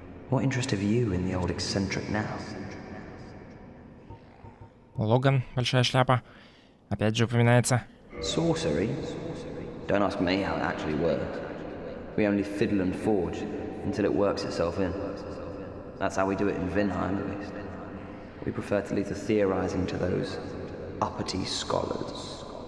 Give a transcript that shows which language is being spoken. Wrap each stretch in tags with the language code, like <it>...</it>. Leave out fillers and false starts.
<en>What interest have you in the old eccentric now?</en> <ru>Логан, большая шляпа, опять же упоминается.</ru> <en>Sorcery? Don't ask me how it actually works. We only fiddle and forge until it works itself in. That's how we do it in Vinheim, at least. We prefer to leave the theorizing to those uppity scholars.</en>